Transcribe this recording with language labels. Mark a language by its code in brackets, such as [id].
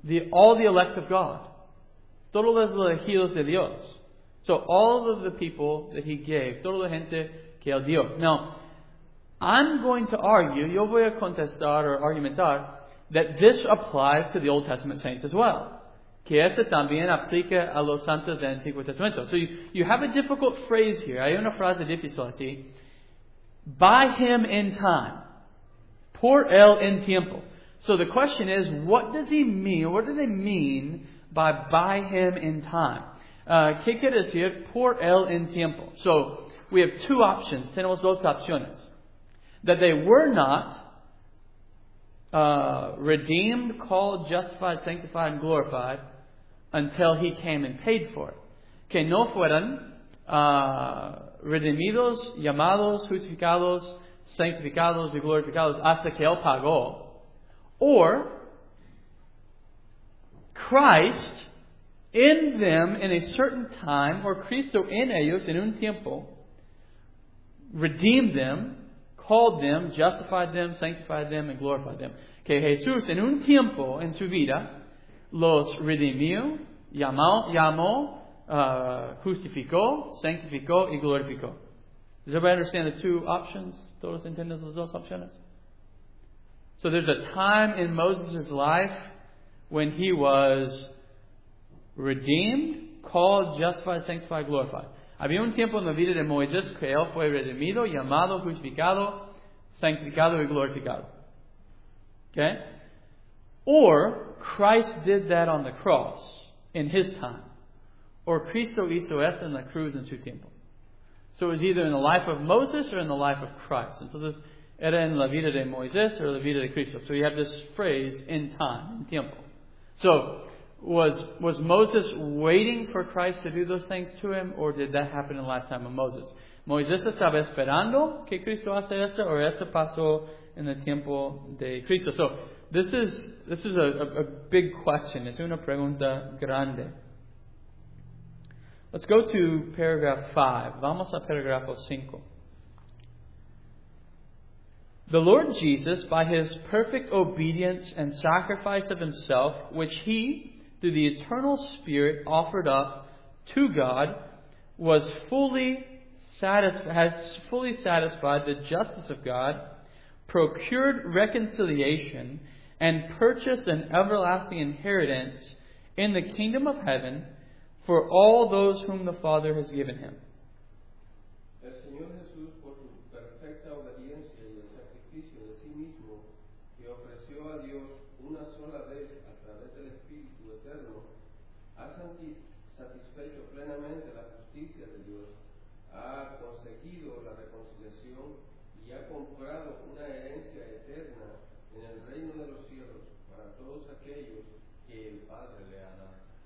[en] all the elect of God. [es] Todos los elegidos de Dios. [en] So all of the people that he gave, [es] toda la gente que él dio. [en] Now, I'm going to argue, [es] yo voy a contestar or argumentar, [en] that this applies to the Old Testament saints as well. [es] Que este también aplica a los santos del Antiguo Testamento. [en] So you have a difficult phrase here. [es] Hay una frase difícil así. [en] By him in time. [es] Por él en tiempo. [en] So the question is, what does he mean? What do they mean by him in time? [es] ¿Qué quiere decir por él en tiempo? [en] So we have two options. [es] Tenemos dos opciones. [en] That they were not redeemed, called, justified, sanctified, and glorified until he came and paid for it. [es] Que no fueran redimidos, llamados, justificados, sanctificados y glorificados hasta que él pagó. [en] Or Christ in them in a certain time, or [es] Cristo en ellos en un tiempo, [en] redeemed them, called them, justified them, sanctified them, and glorified them. [es] Que Jesús en un tiempo en su vida los redimió, llamó, justificó, sanctificó y glorificó. [en] Does everybody understand the two options? [es] ¿Todos entienden las dos opciones? [en] So there's a time in Moses' life when he was redeemed, called, justified, sanctified, glorified. [es] Había un tiempo en la vida de Moisés que él fue redimido, llamado, justificado, sanctificado y glorificado. [en] Okay? Or Christ did that on the cross in his time. [es] Or Cristo hizo esto en la cruz en su tiempo. [en] So it was either in the life of Moses or in the life of Christ. [es] Entonces, era en la vida de Moisés or la vida de Cristo. [en] So you have this phrase, in time, in tiempo. So, was Moses waiting for Christ to do those things to him, or did that happen in the lifetime of Moses? [es] ¿Moisés estaba esperando que Cristo hace esto, o esto pasó en el tiempo de Cristo? [en] So, this is a big question. [es] Es una pregunta grande. [en] Let's go to paragraph 5. [es] Vamos a paragrafo 5. [en] The Lord Jesus, by his perfect obedience and sacrifice of himself, which he, through the eternal Spirit, offered up to God, was fully satisfied the justice of God, procured reconciliation, and purchased an everlasting inheritance in the kingdom of heaven for all those whom the Father has given him. [es] El Señor Jesús, por su perfecta obediencia y el sacrificio de sí mismo, que ofreció a Dios una sola vez a través del Espíritu Eterno, ha satisfecho plenamente la justicia de Dios, ha conseguido la reconciliación y ha comprado una herencia eterna en el reino de los cielos para todos aquellos que el Padre le ha dado.